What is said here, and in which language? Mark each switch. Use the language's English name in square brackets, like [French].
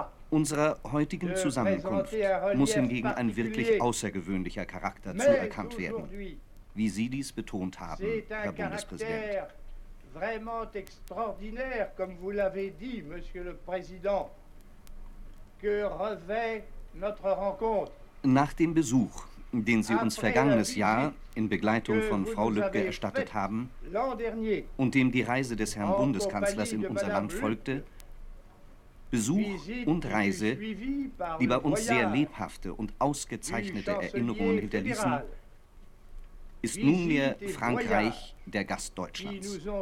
[German] Unserer heutigen Zusammenkunft muss hingegen ein wirklich außergewöhnlicher Charakter zuerkannt werden, wie Sie dies betont haben, Herr Bundespräsident. [French] Vraiment extraordinaire, comme vous l'avez dit, Monsieur le Président, que revêt notre rencontre. [German] Nach dem Besuch, den Sie uns vergangenes Jahr in Begleitung von Frau Lübcke erstattet haben und dem die Reise des Herrn Bundeskanzlers in unser Land folgte, Besuch und Reise, die bei uns sehr lebhafte und ausgezeichnete Erinnerungen hinterließen, ist nunmehr Frankreich der Gast Deutschlands.